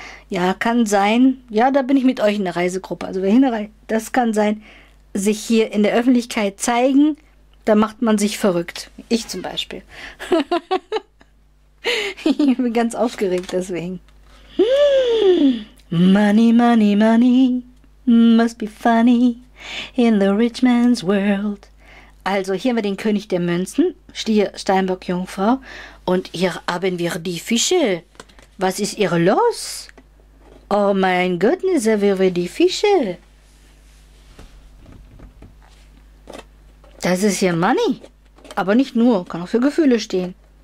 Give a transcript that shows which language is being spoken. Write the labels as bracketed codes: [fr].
[de] Ja, kann sein, ja, da bin ich mit euch in der Reisegruppe, also das kann sein, sich hier in der Öffentlichkeit zeigen, da macht man sich verrückt. Ich zum Beispiel. Ich bin ganz aufgeregt deswegen. [en] Money, money, money, must be funny in the rich man's world. [de] Also hier haben wir den König der Münzen, Stier, Steinbock, Jungfrau, und hier haben wir die Fische. Was ist ihr los? Oh mein Gott, sehr wirre die Fische. Das ist hier Money. Aber nicht nur, kann auch für Gefühle stehen.